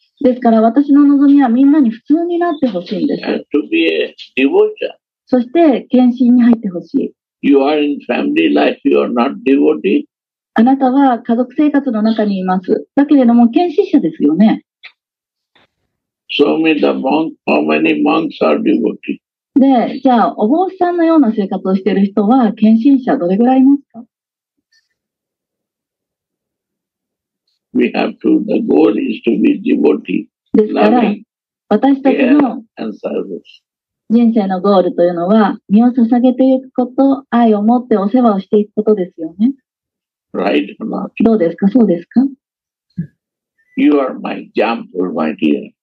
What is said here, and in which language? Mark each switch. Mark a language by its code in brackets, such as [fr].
[ja] ですから私の望みはみんなに普通になってほしいんです。 [en] And to be a devotee. [ja] そして献身に入ってほしい。 [en] You are in family life. You are not devotee. [ja] あなたは家族生活の中にいます。だけれども献身者ですよね。 [en] Show me the monk, how many monks are devotee. [ja] で、じゃあ、お坊さんのような生活をしている人は、献身者どれぐらいいますか? [en] We have to, the goal is to be devotee. [ja] ですから、私たちの人生のゴールというのは、身を捧げていくこと、愛を持ってお世話をしていくことですよね。 [en] Right or not? [ja] どうですか、そうですか? [en] You are my example, my dear.